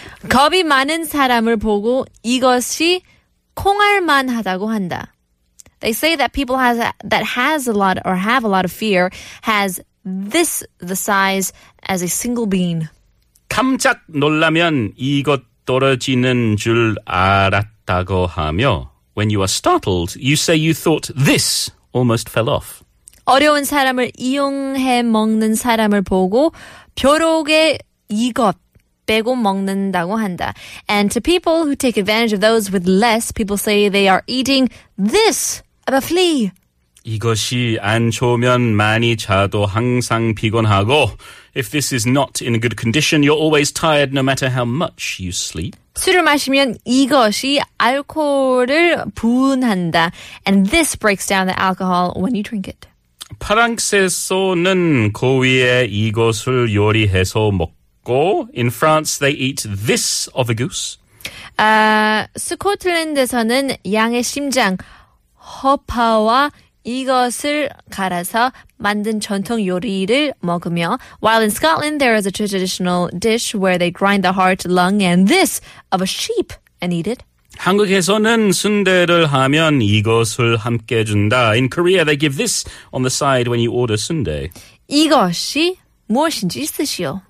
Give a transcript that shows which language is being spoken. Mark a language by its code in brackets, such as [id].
[ko] 겁이 많은 사람을 보고 이것이 콩알만하다고 한다. [en] They say that people have a lot of fear has this the size as a single bean. [ko] 깜짝 놀라면 이것 떨어지는 줄 알았다고 하며 [en] when you are startled, you say you thought this almost fell off. [ko] 어려운 사람을 이용해 먹는 사람을 보고 벼룩의 이것 빼고 먹는다고 한다. [en] And to people who take advantage of those with less, people say they are eating this of a flea. [ko] 이것이 안 좋으면 많이 자도 항상 피곤하고 [en] if this is not in a good condition, you're always tired no matter how much you sleep. [ko] 술을 마시면 이것이 알코올을 분한다. [en] And this breaks down the alcohol when you drink it. [ko] 프랑스에서는 고위에 이것을 요리해서 먹고 [en] In France, they eat this of a goose. [ko] 스코틀랜드에서는 양의 심장, 허파와 이것을 갈아서 만든 전통 요리를 먹으며 [en] While in Scotland, there is a traditional dish where they grind the heart, lung, and this of a sheep and eat it. [ko] 한국에서는 순대를 하면 이것을 함께 준다. [en] In Korea, they give this on the side when you order 순대. [ko] 이것이 무엇인지 쓰시오.